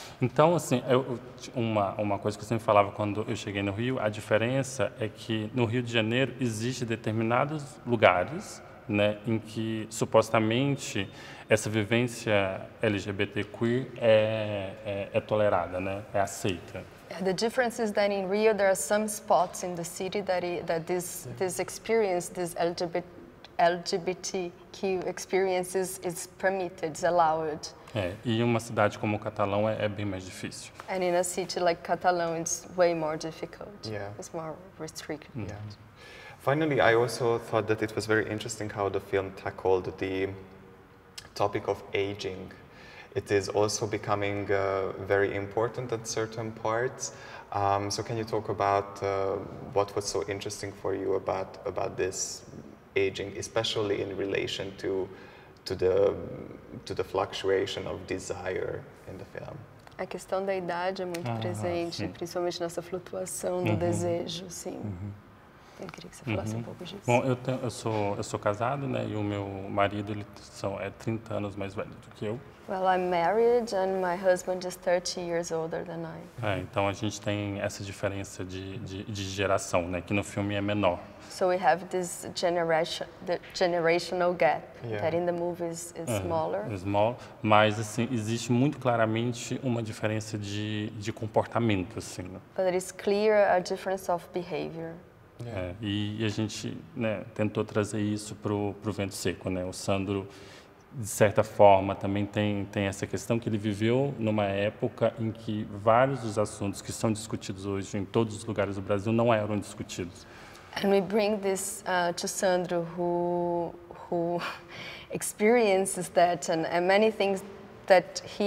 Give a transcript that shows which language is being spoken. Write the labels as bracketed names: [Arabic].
[Portuguese] Então, assim, uma coisa que eu sempre falava quando eu cheguei no Rio, a diferença é que no Rio de Janeiro existe determinados lugares, né, em que supostamente essa vivência LGBTQueer é tolerada, né, é aceita. [English] The difference is that in Rio there are some spots in the city that this experience, this LGBTQ experience is permitted, is allowed. [Portuguese] É, e uma cidade como Catalão é bem mais difícil. [English] And in a city like Catalão, it's way more difficult. Yeah. It's more restricted. Yeah. Finally, I also thought that it was very interesting how the film tackled the topic of aging. It is also becoming very important at certain parts. So can you talk about what was so interesting for you about this aging, especially in relation to the fluctuation of desire in the film? [Portuguese] A questão da idade é muito presente, sim. Principalmente nessa flutuação do desejo, sim. Eu queria que você falasse um pouco disso. Bom, eu sou casado, né, e o meu marido é 30 anos mais velho do que eu. [English] Well, I'm married and my husband is 30 years older than I. [Portuguese] É, então a gente tem essa diferença de geração, né, que no filme é menor. [English] So we have this generational gap, yeah. That in the movie is smaller. Small, [Portuguese] mas assim, existe muito claramente uma diferença de comportamento, assim. [English] But it is clear a difference of behavior. Yeah. [Portuguese] É, e a gente, né, tentou trazer isso pro Vento Seco, né, o Sandro. De certa forma, também tem essa questão que ele viveu numa época em que vários dos assuntos que são discutidos hoje em todos os lugares do Brasil não eram discutidos. [English] And we bring this to Sandro, who experiences that and many things that